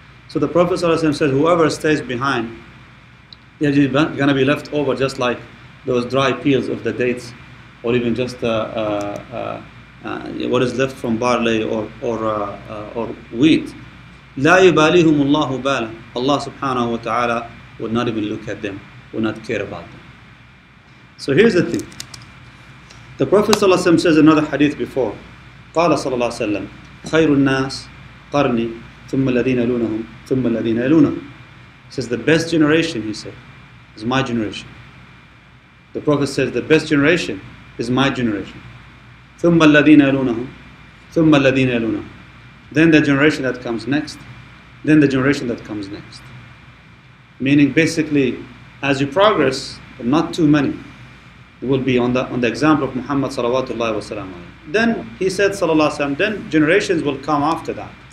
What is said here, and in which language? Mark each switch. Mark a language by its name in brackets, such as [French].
[English] So the Prophet ﷺ says, whoever stays behind, they're going to be left over just like those dry peels of the dates, or even just what is left from barley or wheat. [Arabic] لا يباليهم الله بالا. [English] Allah subhanahu wa ta'ala would not even look at them, would not care about them. So here's the thing. The Prophet ﷺ says another hadith before. [Arabic] قال صلى الله عليه وسلم خير الناس قرني ثم الذين يلونهم ثم الذين يلونهم. [English] He says the best generation, he said, is my generation. The Prophet says the best generation is my generation. [Arabic] ثم الذين يلونهم ثم الذين يلونهم. [English] Then the generation that comes next, then the generation that comes next. Meaning basically, as you progress, not too many will be on the example of Muhammad salawatullahi wa salam alayhi. Then he said, sallallahu alayhi wa sallam, then generations will come after that.